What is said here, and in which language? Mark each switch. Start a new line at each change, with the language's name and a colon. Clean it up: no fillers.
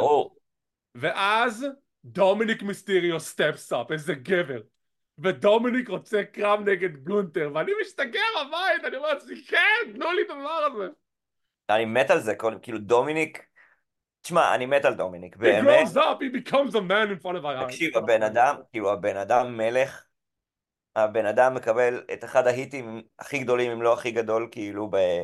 Hebrew: ברור. ואז, דומיניק מיסטיריו סטפס אפ, איזה גבר. ודומיניק רוצה קרב נגד גונת'ר, ואני משתגע בבית, אני אומר, זה כן, תנו לי דבר הזה. אני מת על זה, כאילו דומיניק, תשמע, אני מת על דומיניק, באמת.
English: He grows up, he becomes a man in front of our eyes.
Hebrew: תקשיב, הבן אדם, כאילו הבן אדם מלך, הבן אדם מקבל את אחד ההיטים הכי גדולים, אם לא הכי גדול, כאילו ב...